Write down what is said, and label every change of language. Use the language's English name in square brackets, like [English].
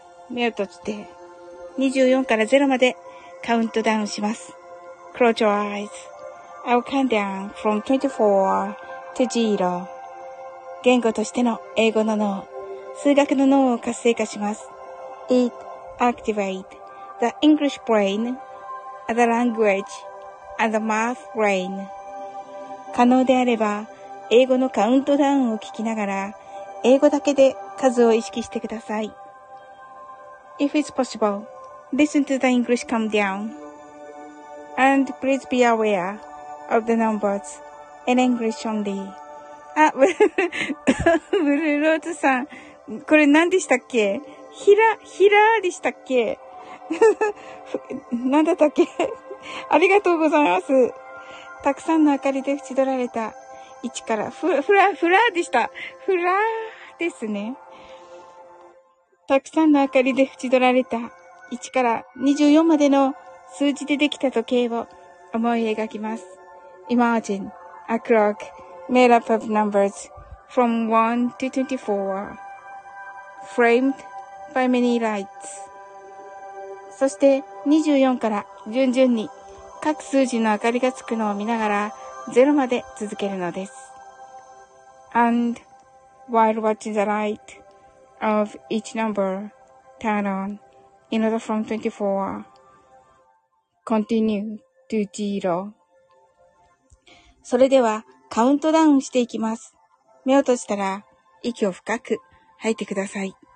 [Japanese] 目を閉じて24から0までカウントダウンします。 [English] Close your eyes. I will count down from 24 to 0. [Japanese] 言語としての英語の脳。数学の脳を活性化します。 [English] It activates the English brain and the language and the math brain. [Japanese] 可能であれば、英語のカウントダウンを聞きながら、英語だけで数を意識してください。 [English] If it's possible, listen to the English countdown. And please be aware of the numbers in English only. [Japanese] あ、ブルーローズさん。これ何でしたっけ？ひらでしたっけ？何だったっけ？ありがとうございます。たくさんの明かりで縁取られた位置から、ふらでした。ふらーですね。たくさんの明かりで縁取られた位置から24までの数字でできた時計を思い描きます。 [English] Imagine a clock made up of numbers from 1 to 24. Framed by many lights. [Japanese] そして24から順々に各数字の明かりがつくのを見ながら0まで続けるのです。 [English] And while watching the light of each number turn on in order from 24, continue to zero. [Japanese] それではカウントダウンしていきます。目を閉じたら息を深く吐いてください。